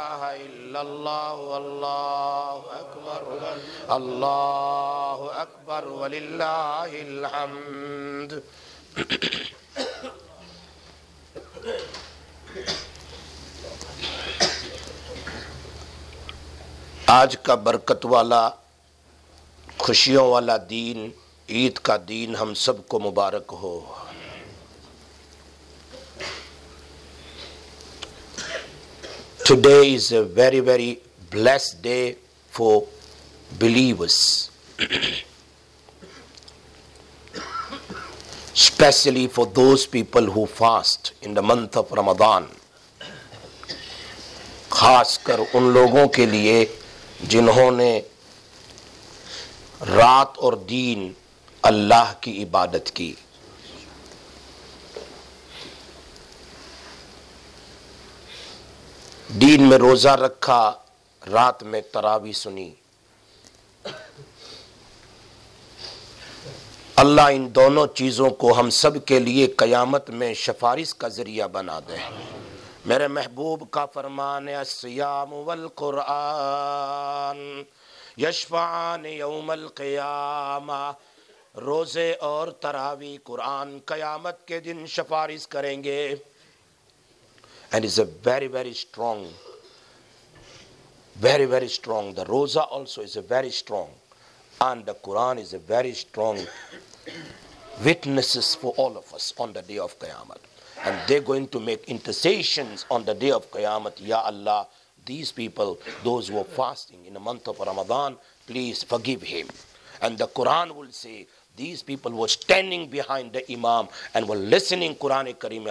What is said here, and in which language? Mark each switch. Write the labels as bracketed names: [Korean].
[Arabic] الا اللہ اللہ اکبر اللہ اکبر وللہ الحمد [Urdu] آج کا برکت والا خوشیوں والا دین عید کا دین ہم سب کو مبارک ہو. [English] Today is a very very blessed day for believers, especially for those people who fast in the month of Ramadan. [Urdu] خاص کر ان لوگوں کے لیے جنہوں نے رات اور دین اللہ کی عبادت کی. دین میں روزہ رکھا, رات میں تراویح سنی. اللہ ان دونوں چیزوں کو ہم سب کے لیے قیامت میں سفارش کا ذریعہ بنا دے. میرے محبوب کا فرمان ہے, [Arabic] الصیام والقرآن یشفعان یوم القیامہ. [Urdu] روزے اور تراویح قرآن قیامت کے دن سفارش کریں گے. [English] And is a very very strong, very very strong. The roza also is a very strong, and the Quran is a very strong witnesses for all of us on the day of Qiyamah. And they're going to make intercessions on the day of Qiyamah. Ya Allah, these people, those who are fasting in the month of Ramadan, please forgive him. And the Quran will say, these people were standing behind the Imam and were listening Quran Kareem.